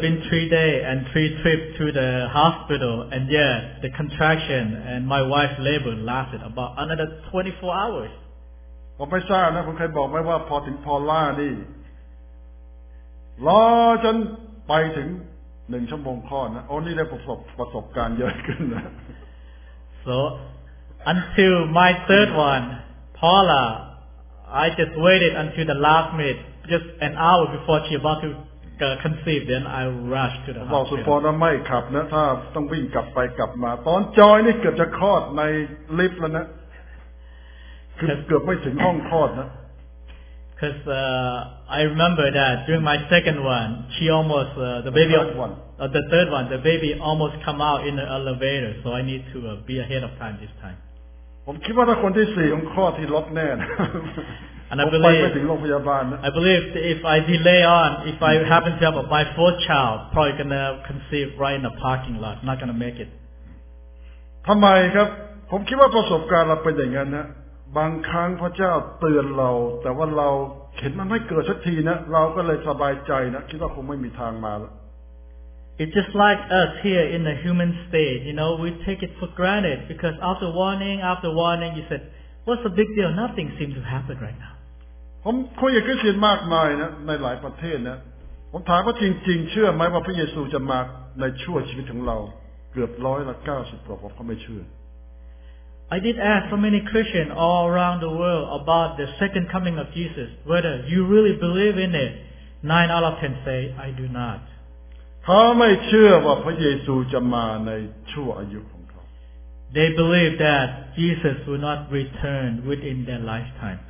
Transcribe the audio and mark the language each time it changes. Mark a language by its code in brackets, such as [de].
[en] been 3 days and 3 trips to the hospital, and yet the contraction and my wife's labor lasted about another 24 hours. [th] ผมไม่ทราบนะผมเคยบอกไว้ว่าพอถึงพอล่านี่รอจนไปถึง1ชั่วโมงครอดนะโอ้นี่ได้ประสบการณ์เยอะขึ้นนะ [en] So until my third one Paula I just waited until the last minute just an hour before she about to conceive then I rushed to the hospital [th] บอกสุพรว่าไม่ขับนะถ้าต้องวิ่งกลับไปกลับมาตอนจอยนี่เกือบจะคลอดในลิฟต์แล้วนะคือเกือบไม่ถึงห้องคลอดนะ [en] Because I remember that during my second one, she almost, the baby, the third one, the baby almost come out in the elevator, so I need to be ahead of time this time. And I believe if I delay on, if I happen to have my fourth child, probably going to conceive right in the parking lot, not going to make it. Why? Because I think that the experience is like that. [th] บางครั้งพระเจ้าเตือนเราแต่ว่าเราเห็นมันไม่เกิดสักทีนะเราก็เลยสบายใจนะคิดว่าคงไม่มีทางมาแล้ว [en] It's just like us here in the human state you know we take it for granted because after warning you said what's the big deal nothing seems to happen right now [th] ผมคุยกับคริสเตียนมากมายนะในหลายประเทศนะผมถามว่าจริงๆเชื่อไหมว่าพระเยซูจะมาในชั่วชีวิตของเราเกือบ90%เขาไม่เชื่อ [en] I did ask so many Christians all around the world about the second coming of Jesus, whether you really believe in it. 9 out of 10 say, I do not. They believe that Jesus will not return within their lifetime.